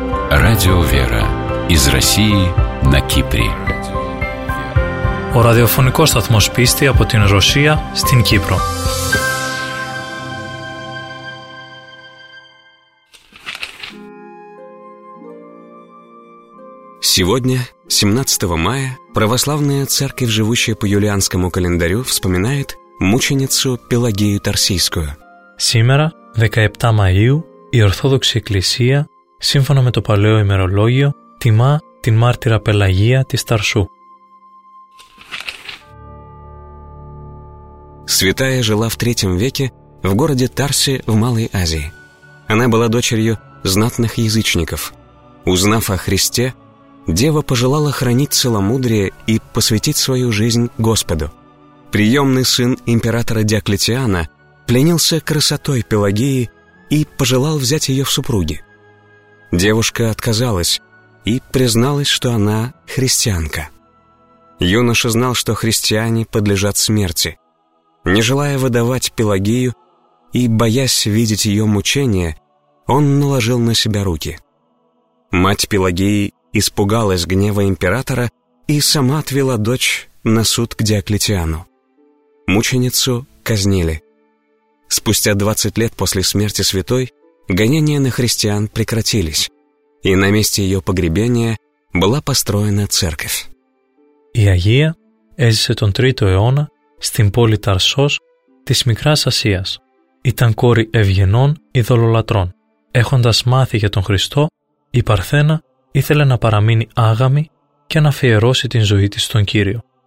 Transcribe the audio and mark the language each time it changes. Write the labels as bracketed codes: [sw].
[ru] Радио «Вера» из России на Кипре. [el] Ο ραδιοφωνικός σταθμός πίστη από την Ρωσία στην Κύπρο. [ru] Сегодня, 17 мая, православная церковь, живущая по юлианскому календарю, вспоминает мученицу Пелагею Тарсийскую. Сегодня, 17 мая, [el] η Ορθόδοξη Εκκλησία, σύμφωνα με το παλαιό ημερολόγιο, τιμά την μάρτυρα Πελαγία της Ταρσού. [ru] Святая жила в III веке в городе Тарсе в Малой Азии. Она была дочерью знатных язычников. Узнав о Христе, дева пожелала хранить целомудрие и посвятить свою жизнь Господу. Приемный сын императора Диоклетиана пленился красотой Пелагеи и пожелал взять ее в супруги. Девушка отказалась и призналась, что она христианка. Юноша знал, что христиане подлежат смерти. Не желая выдавать Пелагею и боясь видеть ее мучения, он наложил на себя руки. Мать Пелагеи испугалась гнева императора и сама отвела дочь на суд к Диоклетиану. Мученицу казнили. Спустя 20 лет после смерти святой гонения на христиан прекратились, и на месте ее погребения была построена церковь. [el] И Агия эзисе тон 3-й аона στην πόλη Ταρσός της Μικράς Ασίας. Ήταν κόρη ευγενών ειδωλολατρών. Έχοντας μάθει για τον Χριστό, η Παρθένα ήθελε να παραμείνει άγαμη και να αφιερώσει την ζωή της στον Κύριο.